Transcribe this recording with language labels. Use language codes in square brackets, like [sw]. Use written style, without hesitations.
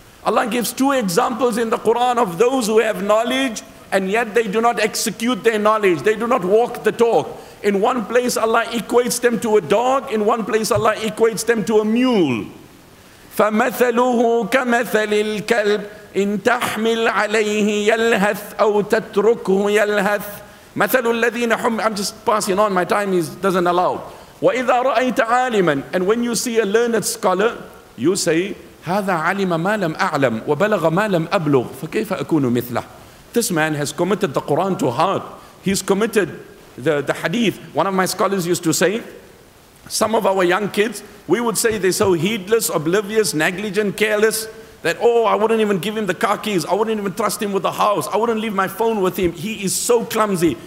[en] Allah gives two examples in the Quran of those who have knowledge and yet they do not execute their knowledge. They do not walk the talk. In one place Allah equates them to a dog, in one place Allah equates them to a mule. [ar] فَمَثَلُهُ كَمَثَلِ الْكَلْبِ إن تحمل عليه يلهث أو تتركه يلهث مثل الذين حم [en] I'm just passing on, my time is doesn't allow. [ar] وإذا رأيت عالما [en] and when you see a learned scholar you say [ar] هذا علم ما لم أعلم وبلغ ما لم أبلغ فكيف أكون مثله. [en] This man has committed the Quran to heart. He's committed the hadith. One of my scholars used to say, some of our young kids, we would say they're so heedless, oblivious, negligent, careless, that, oh, I wouldn't even give him the car keys. I wouldn't even trust him with the house. I wouldn't leave my phone with him. He is so clumsy.